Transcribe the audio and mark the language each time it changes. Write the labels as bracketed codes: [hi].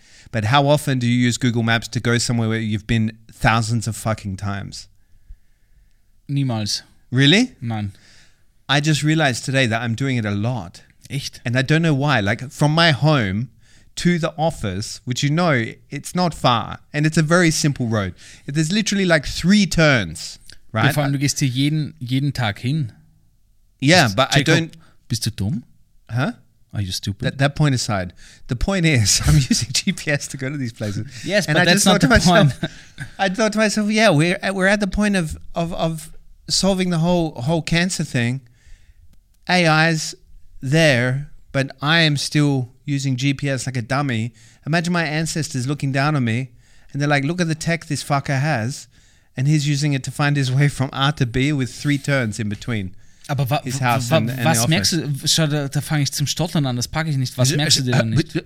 [en] But how often do you use Google Maps to go somewhere where you've been thousands of fucking times? [de] Niemals. [en] Really? [de] Nein. [en] I just realized today that I'm doing it a lot. [de] Echt? [en] And I don't know why. Like, from my home to the office, which, you know, it's not far. And it's a very simple road. There's literally like three turns, right? [de] Vor allem, du gehst hier jeden Tag hin. [en] Yeah, but Jacob, I don't... [de] Bist du dumm? Huh? [en] Are you stupid? That point aside, the point is, I'm using GPS to go to these places. Yes, and but I that's just not thought the to myself, point. I thought to myself, yeah, we're at the point of solving the whole cancer thing. AI's there, but I am still using GPS like a dummy. Imagine my ancestors looking down on me and they're like, look at the tech this fucker has, and he's using it to find his way from A to B with three turns in between. [de] Aber was merkst du? Schau, da fange ich zum Stottern an, das packe ich nicht. Was merkst du denn nicht?